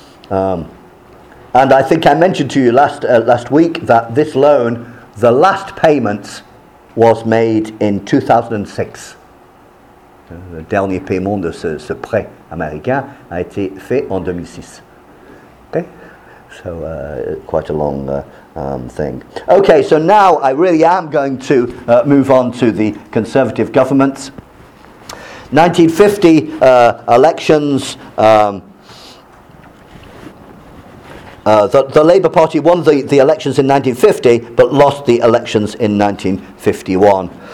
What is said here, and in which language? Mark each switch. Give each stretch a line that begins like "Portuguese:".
English: And I think I mentioned to you last week that this loan, the last payment was made in 2006.
French: Le dernier paiement de ce prêt américain a été fait en 2006.
English: Okay? So quite a long thing. Okay, so now I really am going to move on to the Conservative government. 1950 elections. The Labour Party won the elections in 1950, but lost the elections in 1951.